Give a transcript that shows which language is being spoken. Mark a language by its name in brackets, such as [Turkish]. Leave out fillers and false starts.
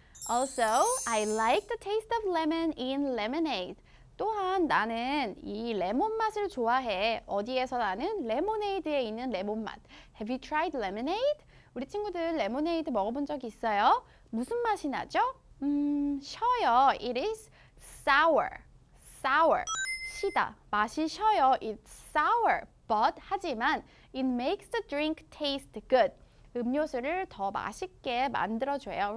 [English] Also, I like the taste of lemon in lemonade. [Korean] 또한 나는 이 레몬 맛을 좋아해. 어디에서 나는? 레모네이드에 있는 레몬 맛. [English] Have you tried lemonade? [Korean] 우리 친구들 레모네이드 먹어본 적 있어요? 무슨 맛이 나죠? 셔요. [English] It is sour. Sour. [Korean] 시다. 맛이 셔요. [English] It's sour. But [Korean] 하지만 [English] it makes the drink taste good. [Korean] 음료수를 더 맛있게 만들어줘요.